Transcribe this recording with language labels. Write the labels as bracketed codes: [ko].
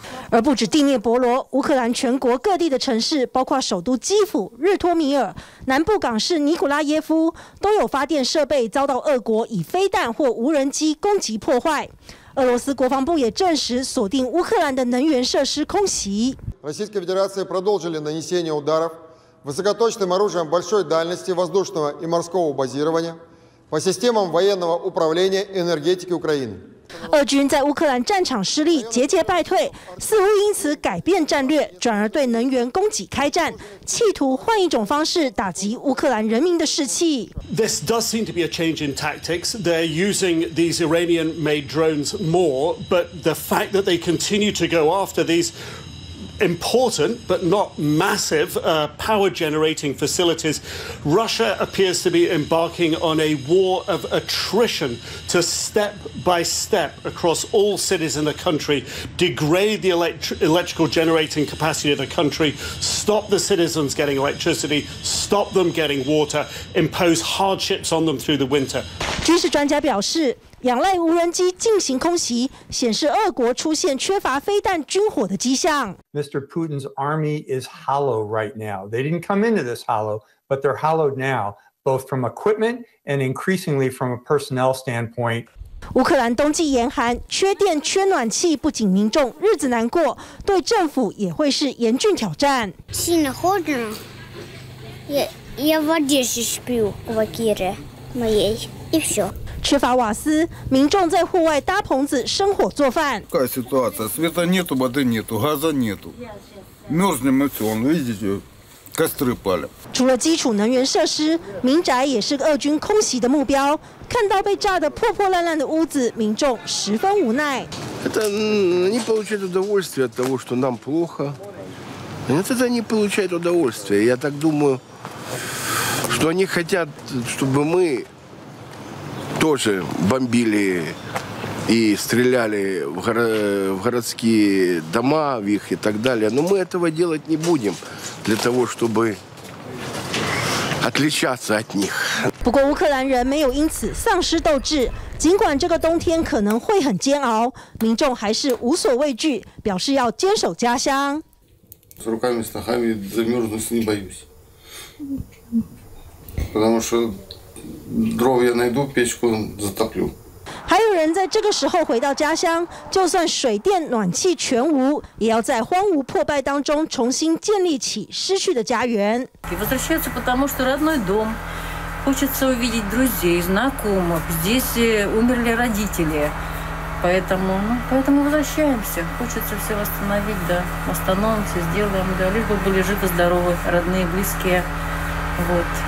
[zh] 而不止第聂伯罗，乌克兰全国各地的城市，包括首都基辅、日托米尔、南部港市尼古拉耶夫，都有发电设备遭到俄国以飞弹或无人机攻击破坏。俄罗斯国防部也证实锁定乌克兰的能源设施空袭。 [ru] Российская Федерация продолжила нанесение ударов высокоточным оружием большой дальности воздушного и морского базирования по системам военного управления энергетики Украины。 [zh] 俄军在乌克兰战场失利，节节败退，似乎因此改变战略，转而对能源供给开战，企图换一种方式打击乌克兰人民的士气。 [en] This does seem to be a change in tactics. They're using these Iranian-made drones more, but the fact that they continue to go after these important but not massive power generating facilities, Russia appears to be embarking on a war of attrition to step by step across all cities in the country degrade the electrical generating capacity of the country, stop the citizens getting electricity, stop them getting water, impose hardships on them through the winter. [zh] 军事专家表示，仰赖无人机进行空袭，显示俄国出现缺乏飞弹军火的迹象。 [en] Mr. Putin's army is hollow right now. They didn't come into this hollow, but they're hollowed now, both from equipment and increasingly from a personnel standpoint. [zh] 乌克兰冬季严寒，缺电、缺暖气，不仅民众日子难过，对政府也会是严峻挑战。 [ru] Сильно холодно. Я в одежде сплю, квартира моей, и все. [zh] 缺乏瓦斯，民众在户外搭棚子生火做饭。 [ru] Какая ситуация? Света нету, воды нету, газа нету. Мерзнем и все, он видите, костры пали. [zh] 除了基础能源设施，民宅也是俄军空袭的目标。看到被炸得破破烂烂的屋子，民众十分无奈。 [ru] Это не получает удовольствие от того, что нам плохо. Нет, это не получает удовольствие. Я так думаю, что они хотят, чтобы мы тоже бомбили и стреляли в городские дома, в их и так далее. Но мы этого делать не будем для того, чтобы отличаться от них. [zh] 不过乌克兰人没有因此丧失斗志，尽管这个冬天可能会很煎熬，民众还是无所畏惧，表示要坚守家乡。 [ru] С руками, с ногами замерзнуть не боюсь, потому что дров я найду, печку затоплю。 [zh] 还有人在这个时候回到家乡，就算水电暖气全无，也要在荒芜破败当中重新建立起失去的家园。 [ru] И возвращаются, потому что родной дом. Хочется увидеть друзей, знакомых. Здесь умерли родители. Поэтому возвращаемся. Хочется все восстановить, да. Остановимся, сделаем, да. Лишь бы были живы, здоровы, родные, близкие. Вот.